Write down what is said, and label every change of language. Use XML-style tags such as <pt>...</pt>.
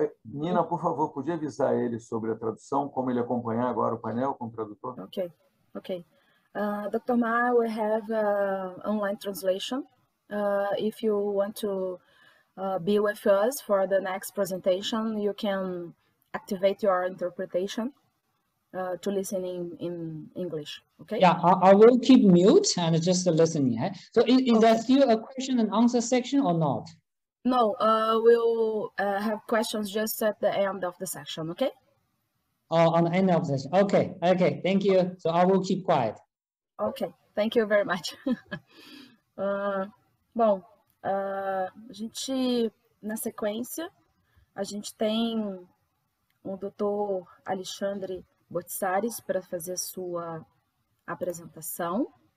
<pt>Nina, por favor, podia avisar ele sobre a tradução, como ele acompanha agora o painel com o tradutor?</pt> <en>Okay. Dr. Ma, we have online translation. If you want to be with us for the next presentation, you can activate your interpretation to listen in English, okay? Yeah, I will keep mute and just listen, yeah? So is okay. That still a question and answer section or not? No, we'll have questions just at the end of the section, okay? Oh, on the end of the session, okay, thank you. So I will keep quiet. Okay, thank you very much.</en> <pt>bom, a gente, na sequência, a gente tem o Dr. Alexandre Botsaris para fazer a sua apresentação.</pt>